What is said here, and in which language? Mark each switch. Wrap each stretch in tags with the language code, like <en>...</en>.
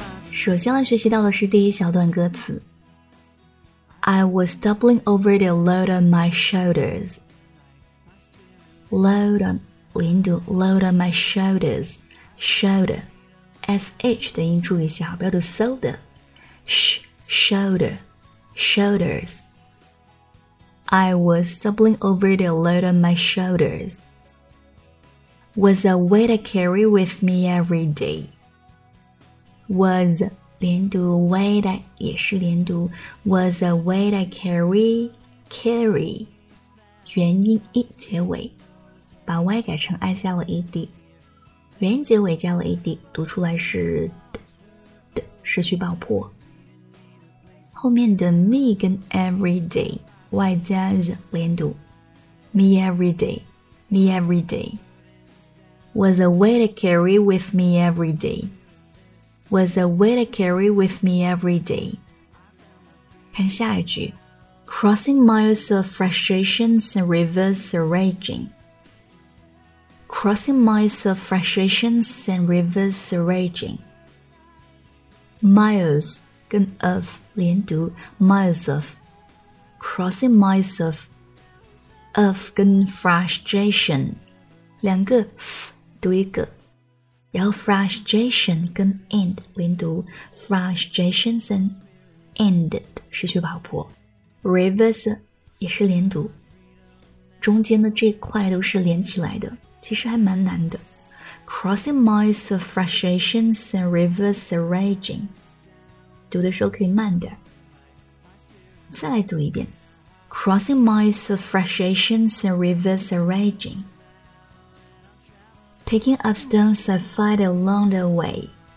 <zh>首先来学习到的是第一小段歌词。</zh> <en>I was doubling over the load on my shoulders. Load on</en> <zh>连读</zh> <en>load on my shoulders.</en> <zh>Shoulder SH 的音注意一下，不要读 shoulder.</zh> <en>Shoulder Shoulders. I was doubling over the load on my shoulders. Was a weight to carry with me every day.</en> <zh>Was连读 weight 也是连读</zh> <en>was a weight I carry carry</en> <zh>元音 e 结尾，把 y 改成 i 加了 ed， 元音结尾加了 ed， 读出来是 d 失去爆破。</zh> <en>后面的 me 跟 every day y</en> <zh>加 z 连读</zh> <en>me every day me every day was a weight I carry with me every day。 Was a weight I carry with me every day. 看下一句 Crossing miles of frustrations and rivers are raging. Crossing miles of frustrations and rivers are raging.</en> <zh>Miles 跟 of 连读</zh> <en>Miles of Crossing miles of</en> <zh>跟 frustration 两个 f 读一个，然后 frustration 跟 end 连读</zh> <en>frustrations and</en> <zh>ended 失去爆破， rivers 也是连读，中间的这块都是连起来的，其实还蛮难的。</zh> <en>crossing miles of frustrations and rivers are raging，</en> <zh>读的时候可以慢点，再来读一遍</zh> <en>crossing miles of frustrations and rivers are ragingPicking up stones I find along the way.</en>